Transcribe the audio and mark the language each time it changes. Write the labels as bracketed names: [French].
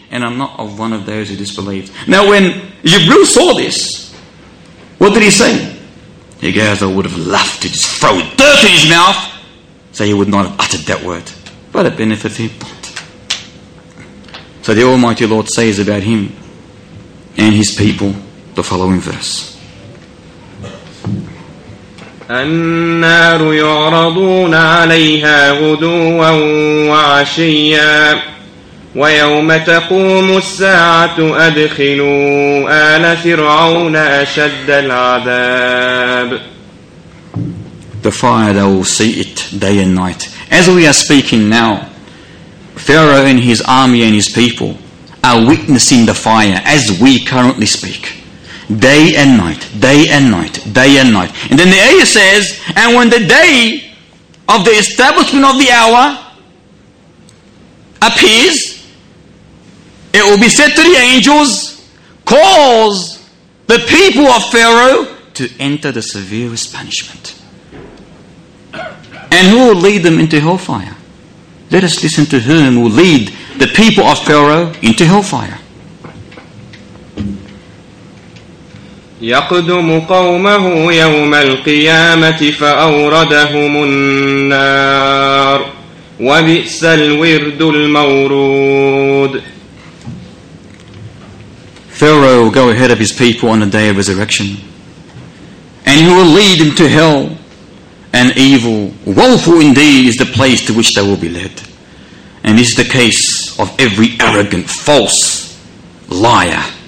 [English] And I'm not of one of those who disbelieved. Now when Jibril saw this, what did he say? He goes, I would have loved to just throw dirt in his mouth so he would not have uttered that word. But it benefits him. So the Almighty Lord says about him and his people the following verse. [Arabic] النار يعرضون عليها غدوا وعشيا ويوم تقوم الساعة أدخلوا آل فرعون أشد العذاب. [English] the fire, they will see it day and night. As we are speaking now, Pharaoh and his army and his people are witnessing the fire as we currently speak. Day and night, day and night, day and night. And then the ayah says, and when the day of the establishment of the hour appears, it will be said to the angels, cause the people of Pharaoh to enter the severest punishment. And who will lead them into hellfire? Let us listen to whom will lead the people of Pharaoh into hellfire. [Arabic] يقدم قومه يوم القيامة فأوردهم النار وبئس الورد المورود. [English] Pharaoh will go ahead of his people on the day of resurrection, and he will lead them to hell and evil. Woeful indeed is the place to which they will be led. And this is the case of every arrogant, false liar.